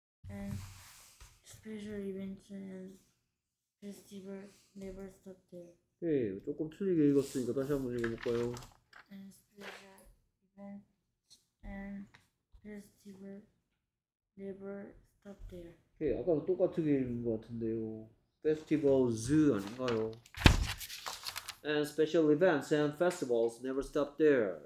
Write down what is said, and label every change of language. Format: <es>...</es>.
<en>And special events and festival never stop there.</en> <ko>오케이. 조금 틀리게 읽었으니까 다시 한번 읽어볼까요?</ko> <en>And special events and festival never stop there.</en> <ko>오케이. 아까도 똑같게 읽은 것 같은데요.</ko> <en>Festival Zoo</en> <ko>아닌가요?</ko> <en>And special events and festivals never stop there.</en>